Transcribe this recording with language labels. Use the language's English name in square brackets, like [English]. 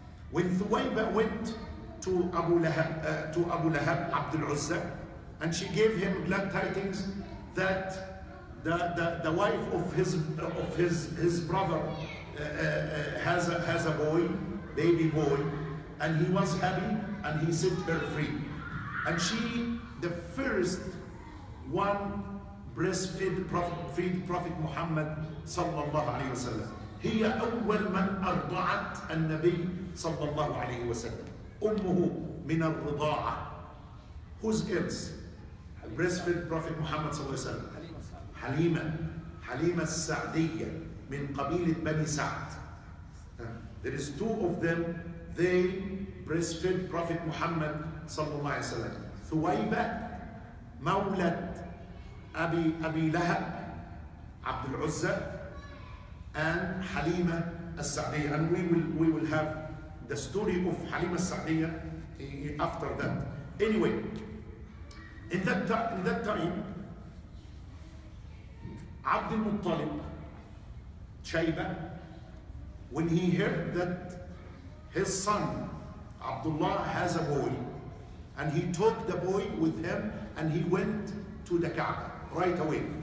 [English] When Thuwaiba went to Abu Lahab, Abd al-Uzza, and she gave him glad tidings that the wife of his brother has a boy, baby boy, and he was happy, and he set her free, and she the first one breastfed Prophet Muhammad sallallahu alaihi wasallam. [Arabic] هي أول من أرضعت النبي صلى الله عليه وسلم. أمه من الرضاعة. [English] Who's else? Breastfed [Arabic] Prophet Muhammad صلى الله عليه وسلم. حليمة. حليمة السعدية من قبيلة بني سعد. [English] There is two of them. They breastfed Prophet Muhammad صلى الله عليه وسلم. [Arabic] ثويبة مولة أبي لهب عبد العزة. [English] And Halima al-Sa'diyya, and we will have the story of Halima al-Sa'diyya after that. Anyway, in that time, Abd al-Muttalib, Shayba, when he heard that his son Abdullah has a boy, and he took the boy with him, and he went to the Kaaba right away,